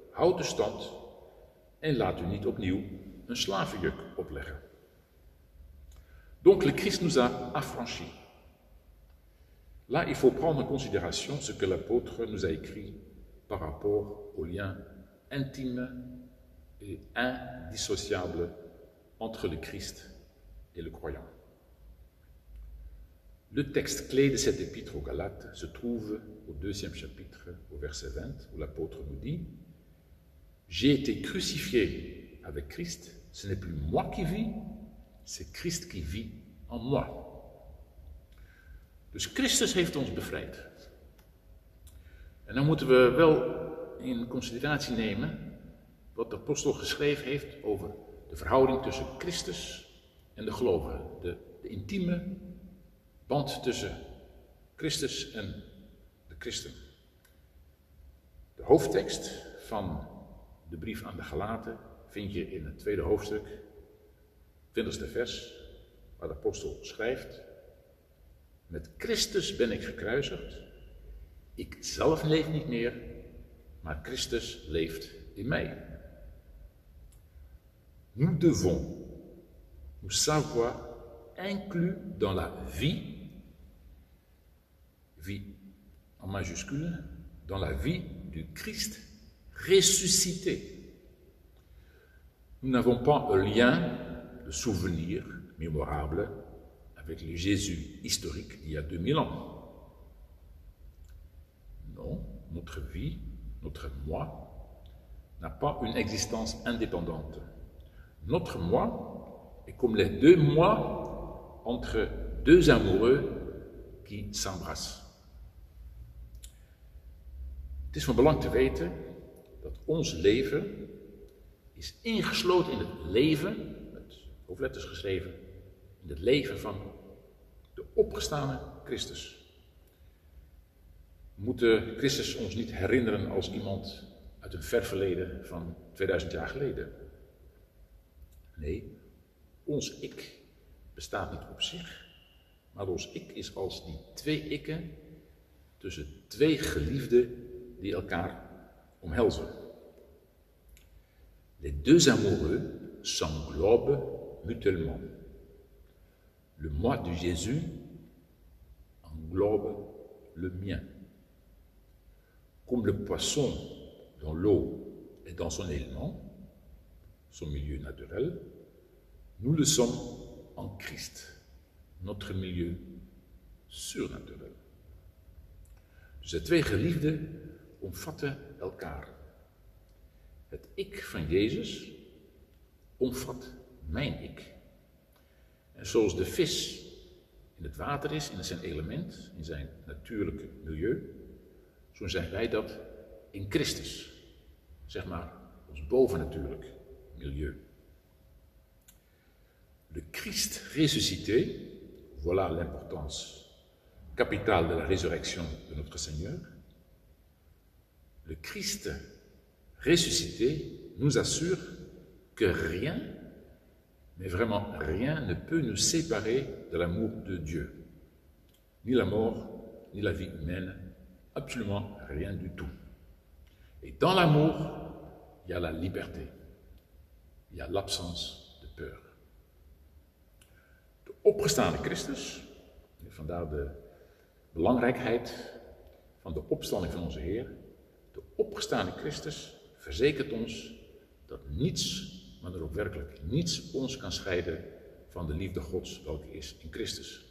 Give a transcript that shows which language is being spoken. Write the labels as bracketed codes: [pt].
[nl] Houd de stand en laat u niet opnieuw een slavenjuk opleggen. [fr] Donc le Christ nous a affranchi. Là, il faut prendre en considération ce que l'apôtre nous a écrit par rapport au lien intime et indissociable entre le Christ et le croyant. Le texte clé de cette épître aux Galates se trouve au deuxième chapitre, au verset 20, où l'apôtre nous dit « J'ai été crucifié avec Christ, ce n'est plus moi qui vis, c'est Christ qui vit en moi. » [nl] Dus Christus heeft ons bevrijd. En dan moeten we wel in consideratie nemen wat de apostel geschreven heeft over de verhouding tussen Christus en de gelovigen, de intieme band tussen Christus en de christen. De hoofdtekst van de brief aan de Galaten vind je in het tweede hoofdstuk, 20e vers, waar de apostel schrijft: met Christus ben ik gekruisigd, ik zelf leef niet meer, maar Christus leeft in mij. [fr] Nous devons nous savoir inclus dans la vie, vie en majuscule, dans la vie du Christ ressuscité. Nous n'avons pas un lien de souvenir mémorable avec le Jésus historique d'il y a 2000 ans. Non, notre vie, notre moi, n'a pas une existence indépendante. Notre moi est comme les deux moi entre deux amoureux qui s'embrassent. [nl] Het is van belang te weten dat ons leven is ingesloten in het leven, met hoofdletters geschreven, in het leven van de opgestane Christus. We moeten Christus ons niet herinneren als iemand uit een ver verleden van 2000 jaar geleden. Nee, ons ik bestaat niet op zich, maar ons ik is als die twee ikken tussen twee geliefden die elkaar omhelzen. [fr] Les deux amoureux s'englobent mutuellement. Le moi de Jésus englobe le mien. Comme le poisson dans l'eau est dans son élément, son milieu naturel, nous le sommes en Christ, notre milieu surnaturel. [nl] Dus de twee geliefden omvatten elkaar. Het ik van Jezus omvat mijn ik. En zoals de vis in het water is, in zijn element, in zijn natuurlijke milieu, zo zijn wij dat in Christus. Zeg maar, ons bovennatuurlijk milieu. [fr] Le Christ ressuscité, voilà l'importance capitale de la résurrection de notre Seigneur. Le Christ ressuscité nous assure que rien, mais vraiment rien, ne peut nous séparer de l'amour de Dieu. Ni la mort, ni la vie humaine, absolument rien du tout. Et dans l'amour, il y a la liberté, il y a l'absence de peur. [nl] De opgestane Christus, vandaar de belangrijkheid van de opstanding van onze Heer, De opgestane Christus verzekert ons dat niets, maar er ook werkelijk niets, ons kan scheiden van de liefde Gods, welke is in Christus.